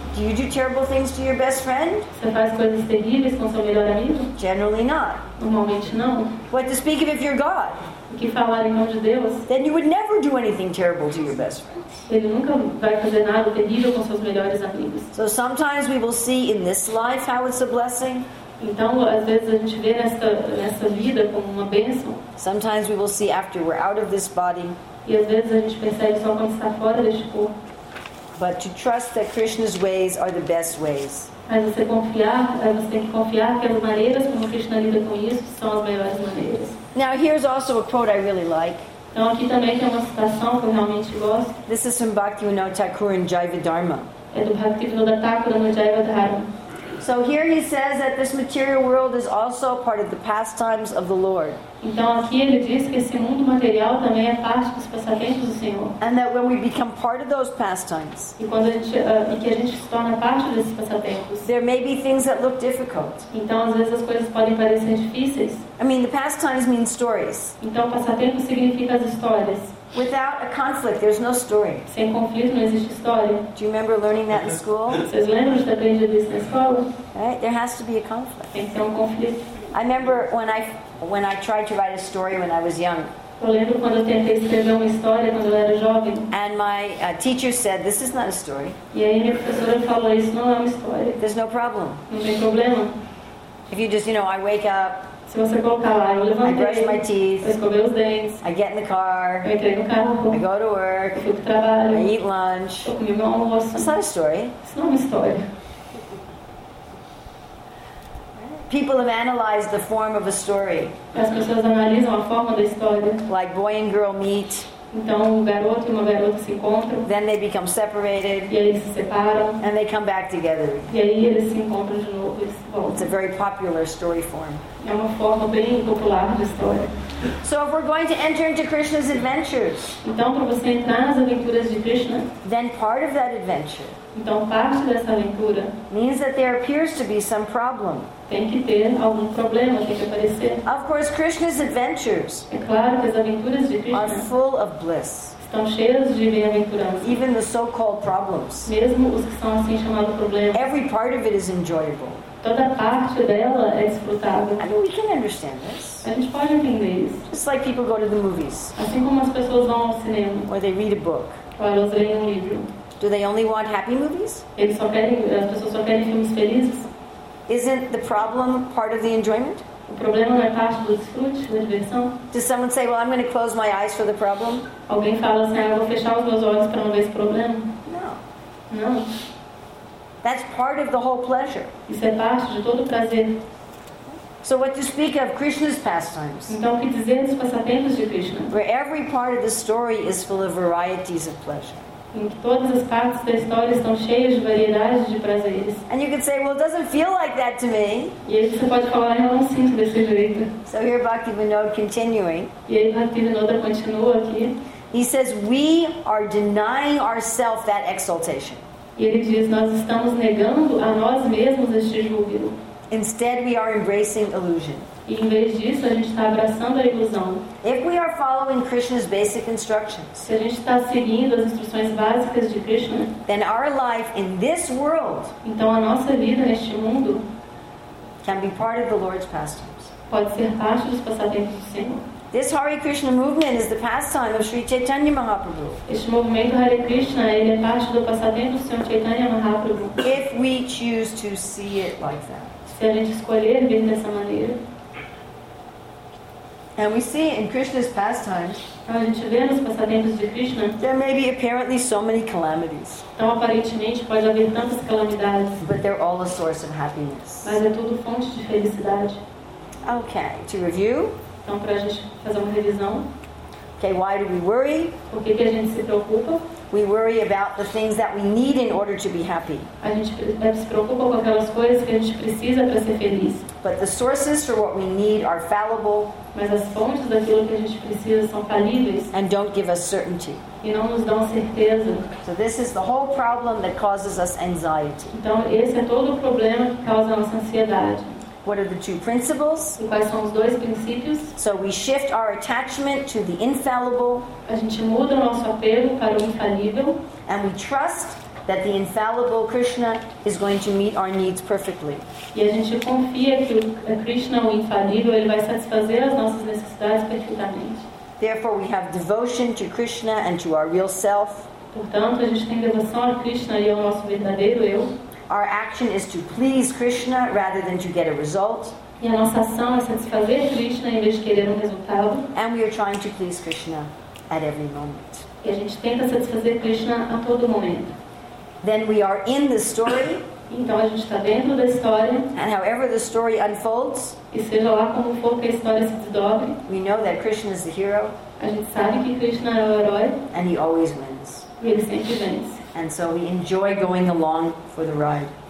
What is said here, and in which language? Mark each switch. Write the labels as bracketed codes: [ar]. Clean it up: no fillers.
[en] Do you do terrible things to your best friend? [pt] Você faz coisas terríveis com seu melhor amigo? [en] Generally not. [pt] Normalmente não. [en] What to speak of if you're God? [pt] O que falar em nome de Deus? [en] Then you would never do anything terrible to your best friend. [pt] Ele nunca vai fazer nada terrível com seus melhores amigos. [en] So sometimes we will see in this life how it's a blessing. [pt] Então, às vezes a gente vê nessa vida como uma bênção. [en] Sometimes we will see after we're out of this body. [pt] E às vezes a gente percebe só quando está fora deste corpo. [en] But to trust that Krishna's ways are the best ways. [pt] Mas você tem que confiar que as maneiras como Krishna lida com isso são as melhores maneiras. [en] Now here's also a quote I really like. [pt] Então aqui também tem uma citação que eu realmente gosto. [en] This is from Bhaktivinoda Thakur in Jaivadharma. [pt] É do Bhaktivinoda Thakur no Jaivadharma. [en] So here he says that this material world is also part of the pastimes of the Lord. [pt] Então aqui ele diz que esse mundo material também é parte dos passatempos do Senhor. [en] And that when we become part of those pastimes. [pt] E quando a gente se torna parte desses passatempos. [en] There may be things that look difficult. [pt] Então às vezes as coisas podem parecer difíceis. [en] I mean, the pastimes mean stories. [pt] Então passatempo significa as histórias. [en] Without a conflict, there's no story. [pt] Sem conflito, não existe história. [en] Do you remember learning that in school? [pt] Vocês lembram de ter aprendido isso na escola? [en] Right? There has to be a conflict. [pt] Tem que ter conflito. [en] I remember when I tried to write a story when I was young. [pt] Eu lembro quando eu tentei escrever uma história quando eu era jovem. [en] And my teacher said, "This is not a story." [pt] E aí minha professora falou, "Isso não é uma história." [en] There's no problem. [pt] Não tem problema. [en] If you just, you know, I wake up. [pt] Se você colocar lá, eu levantei, [en] I brush my teeth, [pt] eu escovei os dentes, [en] I get in the car, [pt] eu entrei no carro, [en] I go to work, [pt] eu fui pro trabalho, [en] I eat lunch, [pt] eu comi meu almoço. [en] That's not a story. [pt] Isso não é uma história. [en] People have analyzed the form of a story. [pt] As pessoas analisam a forma da história. [en] Like boy and girl meet. [pt] Então um garoto e uma garota se encontram. [en] Then they become separated. [pt] E eles se separam. [en] And they come back together. [pt] E aí eles se encontram de novo. [en] It's a very popular story form. [pt] É uma forma bem popular de história. [en] So if we're going to enter into Krishna's adventures. [pt] Então para você entrar nas aventuras de Krishna. [en] Then part of that adventure. [pt] Então parte dessa aventura. [en] Means that there appears to be some problem. [pt] Tem que ter algum problema, tem que aparecer. [en] Of course, Krishna's adventures. [pt] É claro que as aventuras de Krishna. [en] Are full of bliss. [pt] Estão cheias de bem-aventurança. [en] Even the so-called problems. [pt] Mesmo os que são assim chamados problemas. [en] Every part of it is enjoyable. [pt] Toda parte dela é desfrutável. [en] I mean, we can understand this. [pt] A gente pode entender isso. [en] Just like people go to the movies. [pt] Assim como as pessoas vão ao cinema. [en] Or they read a book. [pt] Ou elas leem um livro. [en] Do they only want happy movies? [pt] Eles só querem, as pessoas só querem filmes felizes. [en] Isn't the problem part of the enjoyment? [pt] O problema não é parte do desfrute, da diversão? [en] Does someone say, "Well, I'm going to close my eyes for the problem"? [pt] Alguém fala assim, "Eu vou fechar os meus olhos para não ver esse problema"? [en] No. No. That's part of the whole pleasure. [pt] Isso é parte de todo o prazer. [en] So what to speak of Krishna's pastimes? [pt] Então, que dizer dos passatempos de Krishna? [en] Where every part of the story is full of varieties of pleasure. [pt] Em que todas as partes da história estão cheias de variedades de prazeres. [en] And you can say, well, it doesn't feel like that to me. [pt] E aí você pode falar, eu não sinto desse jeito. [en] So here Bhaktivinoda continuing. [pt] E aí Bhaktivinoda continua aqui. [en] He says, we are denying ourselves that exaltation. [pt] E ele diz, nós estamos negando a nós mesmos este júbilo. [en] Instead, we are embracing illusion. [pt] E em vez disso, a gente está abraçando a ilusão. [en] If we are following Krishna's basic instructions, [pt] se a gente está seguindo as instruções básicas de Krishna, [en] then our life in this world, [pt] então a nossa vida neste mundo, [en] can be part of the Lord's pastimes. [pt] Pode ser parte dos passatempos do Senhor. [en] This Hare Krishna movement is the pastime of Sri Chaitanya Mahaprabhu. [pt] Este movimento Hare Krishna ele é parte do passatempo do Senhor Chaitanya Mahaprabhu. [en] If we choose to see it like that. [pt] Se a gente escolher ver dessa maneira. [en] And we see in Krishna's pastimes. [pt] A gente vê nos passatempos de Krishna. [en] There may be apparently so many calamities. [pt] Então aparentemente pode haver tantas calamidades. [en] But they're all a source of happiness. [pt] Mas é tudo fonte de felicidade. [en] Okay, to review. [pt] Então, para a gente fazer uma revisão. [en] Okay, why do we worry? [pt] Por que que a gente se preocupa? [en] We worry about the things that we need in order to be happy. [pt] A gente se preocupa com aquelas coisas que a gente precisa para ser feliz. [en] But the sources for what we need are fallible. [pt] Mas as fontes daquilo que a gente precisa são falíveis. [en] And don't give us certainty. [pt] E não nos dão certeza. [en] So this is the whole problem that causes us anxiety. [pt] Então, esse é todo o problema que causa a nossa ansiedade. [en] What are the two principles? [pt] E quais são os dois princípios? [en] So we shift our attachment to the infallible. [pt] A gente muda o nosso apego para o infalível. [en] And we trust that the infallible Krishna is going to meet our needs perfectly. [pt] E a gente confia que o Krishna, o infalível, ele vai satisfazer as nossas necessidades perfeitamente. [en] Therefore, we have devotion to Krishna and to our real self. [pt] Portanto, a gente tem devoção a Krishna e ao nosso verdadeiro eu. [en] Our action is to please Krishna rather than to get a result. [pt] E a nossa ação é satisfazer Krishna em vez de querer resultado. [en] And we are trying to please Krishna at every moment. [pt] E a gente tenta satisfazer Krishna a todo momento. [en] Then we are in the story. [pt] Então a gente está dentro da história. [en] And however the story unfolds. [pt] E seja lá como for que a história se desdobre. [en] We know that Krishna is the hero. [pt] A gente sabe que Krishna é o herói. [en] And he always wins. [pt] E ele sempre vence. [en] And so we enjoy going along for the ride.